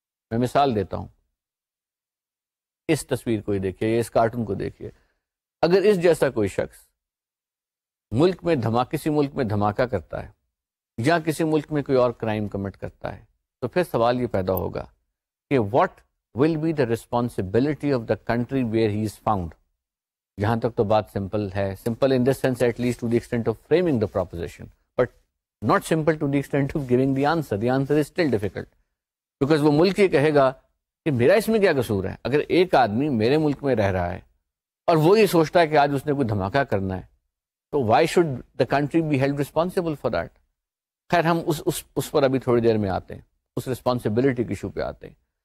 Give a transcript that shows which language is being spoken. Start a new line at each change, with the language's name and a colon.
Urdu: میں مثال دیتا ہوں, اس تصویر کو ہی دیکھیے, اس کارٹون کو دیکھیے. اگر اس جیسا کوئی شخص ملک میں کسی ملک میں دھماکہ کرتا ہے, یا کسی ملک میں کوئی اور کرائم کمٹ کرتا ہے, تو پھر سوال یہ پیدا ہوگا کہ
English: What will be the responsibility of the country where he is found.
Urdu: یہاں تک تو بات سمپل ہے,
English: Simple in the sense at least to the extent of framing the proposition, but not simple to the extent of giving the answer. The answer is still difficult, because
Urdu: وہ ملک یہ کہے گا کہ میرا اس میں کیا قصور ہے. اگر ایک آدمی میرے ملک میں رہ رہا ہے اور وہ یہ سوچتا ہے کہ آج اس نے کوئی دھماکہ کرنا ہے, تو
English: Why should the country be held responsible for that.
Urdu: خیر, ہم اس پر ابھی تھوڑی دیر میں آتے ہیں, اس رسپانسبلٹی کے ایشو پہ آتے ہیں.